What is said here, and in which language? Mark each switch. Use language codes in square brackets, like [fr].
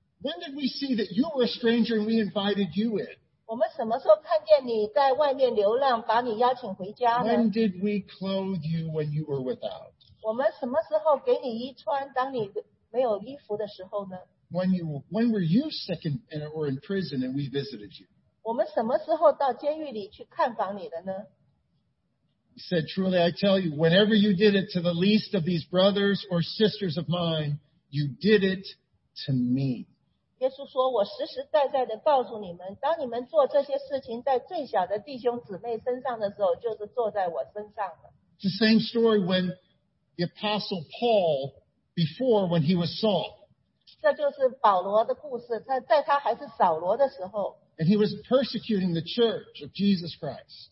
[en] When did we see that you were a stranger and we invited you in? [zh] 我们什么时候看见你在外面流浪,把你邀请回家呢? [en] When did we clothe you when you were without? [zh] 我们什么时候给你衣穿,当你没有衣服的时候呢? [en] When were you sick and were in prison and we visited you? [zh] 我们什么时候到监狱里去看访你的呢? [en] He said, truly I tell you, whenever you did it to the least of these brothers or sisters of mine, you did it to me. [zh] 耶稣说,我实实在在地告诉你们,当你们做这些事情在最小的弟兄姊妹身上的时候,就是坐在我身上了。 [en] It's the same story when the Apostle Paul, before when he was Saul. [zh] 这就是保罗的故事,在他还是扫罗的时候。 [en] And he was persecuting the church of Jesus Christ.